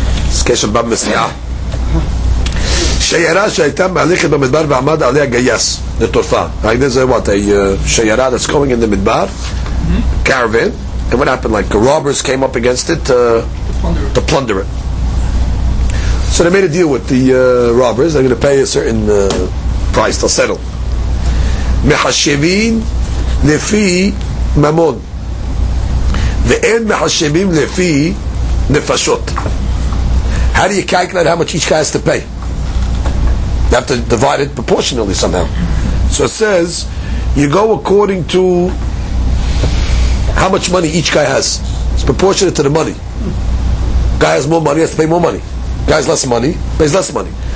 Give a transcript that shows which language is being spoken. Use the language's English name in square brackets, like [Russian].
[English] Sketch of Bab Messiah. [Hebrew] Shayara Shaitam Alikh Ba Midbar Bahmad Ali Gayas, the Turfa. [English] Like this is what a Shayara that's coming in the Midbar caravan. And what happened? Like robbers came up against it to plunder it. So they made a deal with the robbers. They're going to pay a certain price to settle. [Hebrew] מחשבים לפי ממון, ואין מחשבים לפי נפשות. [English] How do you calculate how much each guy has to pay? You have to divide it proportionally somehow. So it says, you go according to how much money each guy has. It's proportionate to the money. Guy has more money, has to pay more money. Guy has less money, pays less money.